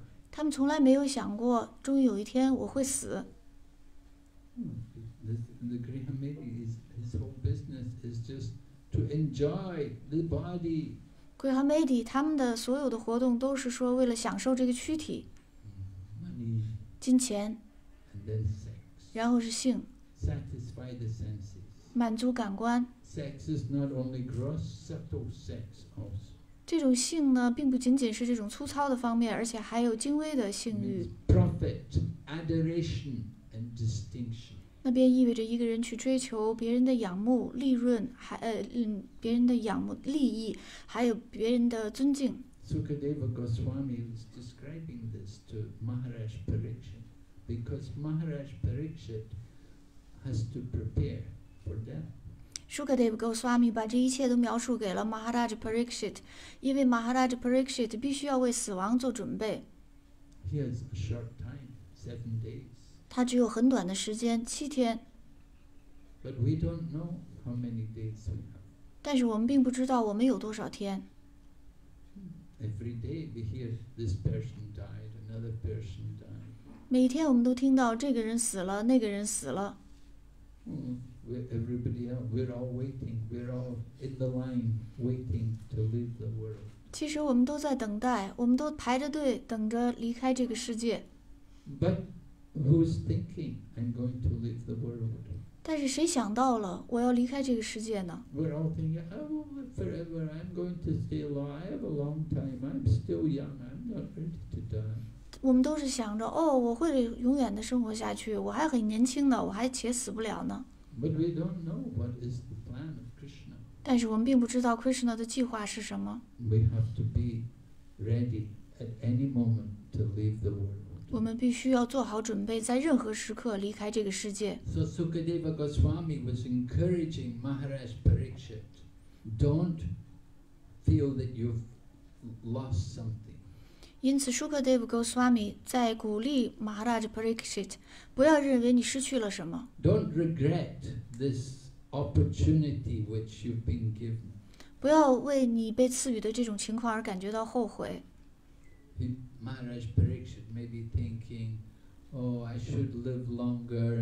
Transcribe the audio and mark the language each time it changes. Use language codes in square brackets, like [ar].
[zh] 他们从来没有想过终于有一天我会死。 [en] The Graham Mady, his whole business is just to enjoy the body. [zh] Graham Mady, 他们的所有的活动都是说为了享受这个躯体。 [en] Money. [zh] 金钱。 [en] And then sex. [zh] 然后是性。 [en] Satisfy the senses. [zh] 满足感官。 [en] Sex is not only gross, subtle sex also. [zh] 这种性呢，并不仅仅是这种粗糙的方面，而且还有精微的性欲。 [en] Profit, adoration, and distinction. [zh] 那便意味着一个人去追求别人的仰慕、利润，别人的仰慕、利益，还有别人的尊敬。 [en] Sukadeva Goswami was describing this to Maharaj Pariksit, because Maharaj Pariksit has to prepare for death. [zh] Sukadeva Goswami 把这一切都描述给了 Maharaj Pariksit, 因为 Maharaj Pariksit 必须要为死亡做准备。 [en] He has a short time, [zh] 它只有很短的时间，七天。 [en] But we don't know how many days we have. [zh] 但是我们并不知道我们有多少天。 [en] Every day we hear this person died, another person died. [zh] 每天我们都听到这个人死了，那个人死了。 [en] Everybody else, we're all waiting. We're all in the line waiting to leave the world. [zh] 其实我们都在等待，我们都排着队等着离开这个世界。 [en] But who's thinking I'm going to leave the world? [zh] 但是谁想到了我要离开这个世界呢？ [en] We're all thinking, I will live forever. I'm going to stay long. I have a long time. I'm still young. I'm not ready to die. [zh] 我们都是想着，哦，我会永远的生活下去，我还很年轻的，我还且死不了呢。 [en] But we don't know what is the plan of Krishna. [zh] 但是我们并不知道 Krishna 的计划是什么。 [en] We have to be ready at any moment to leave the world. [zh] 我们必须要做好准备，在任何时刻离开这个世界。 [en] So Sukadeva Goswami was encouraging Maharaj Parikshit, don't feel that you've lost something. [zh] 因此 ，Sukadeva Goswami 在鼓励 Maharaj Parikshit。不要认为你失去了什么。 [en] Don't regret this opportunity which you've been given. [zh] 不要为你被赐予的这种情况而感觉到后悔。 [en] Maharaj Parikshit may be thinking, "Oh, I should live longer.